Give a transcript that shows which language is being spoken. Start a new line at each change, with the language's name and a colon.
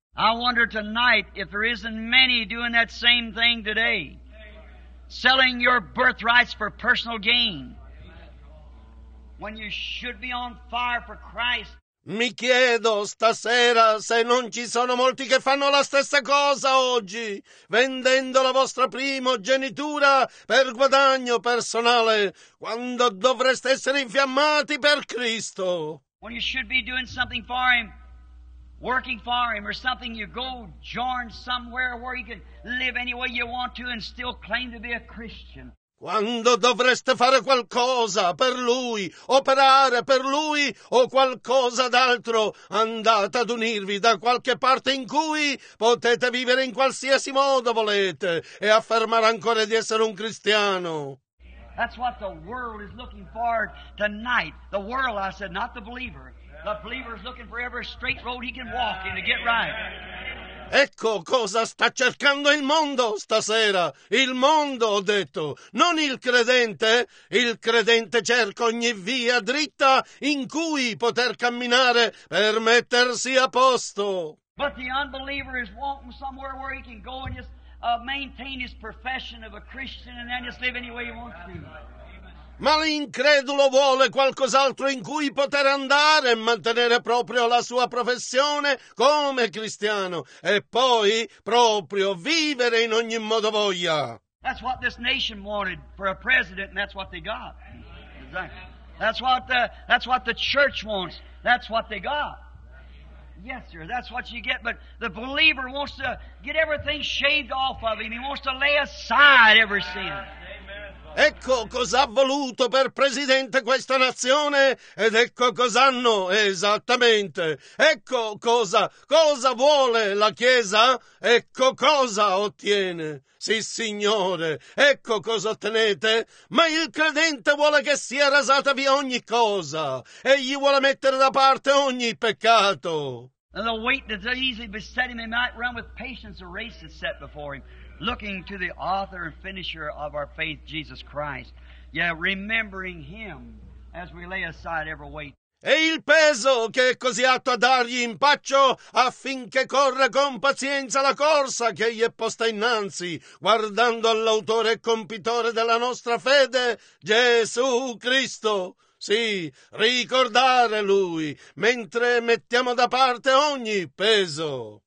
English: I wonder tonight if there isn't many doing that same thing today. Selling your birthrights for personal gain. When you should be on fire for Christ.
Italian: Mi chiedo stasera se non ci sono molti che fanno la stessa cosa oggi, vendendo la vostra primogenitura per guadagno personale, quando dovreste essere infiammati per Cristo.
English: When you should be doing something for him, working for him or something, you go join somewhere where you can live any way you want to and still claim to be a Christian.
Italian: Quando dovreste fare qualcosa per lui, operare per lui o qualcosa d'altro, andate ad unirvi da qualche parte in cui potete vivere in qualsiasi modo volete e affermare ancora di essere un cristiano.
English: That's what the world is looking for tonight. The world, I said, not the believer. The believer is looking for every straight road he can walk in to get right.
Italian: Ecco cosa sta cercando il mondo stasera. Il mondo, ho detto, non il credente. Il credente cerca ogni via dritta in cui poter camminare per mettersi a posto.
English: But the unbeliever is wanting somewhere where he can go and just maintain his profession of a Christian and then just live any way he wants to.
Italian: Ma l'incredulo vuole qualcos'altro in cui poter andare e mantenere proprio la sua professione come cristiano e poi proprio vivere in ogni modo voglia.
English: That's what this nation wanted for a president and that's what they got. That's what the church wants. That's what they got. Yes, sir, that's what you get. But the believer wants to get everything shaved off of him. He wants to lay aside every sin.
Italian: Ecco cosa ha voluto per presidente questa nazione ed ecco cosa hanno esattamente. Ecco cosa vuole la Chiesa, ecco cosa ottiene. Sì, Signore, ecco cosa ottenete. Ma il credente vuole che sia rasata via ogni cosa e gli vuole mettere da parte ogni peccato.
English: And the weight that's easily beset him, he might run with patience the race that's set before him. Looking to the author and finisher of our faith, Jesus Christ. Yeah, remembering him as we lay aside every weight.
Italian: E il peso che è così atto a dargli impaccio affinché corra con pazienza la corsa che gli è posta innanzi, guardando all'autore e compitore della nostra fede, Gesù Cristo. Sì, ricordare lui mentre mettiamo da parte ogni peso.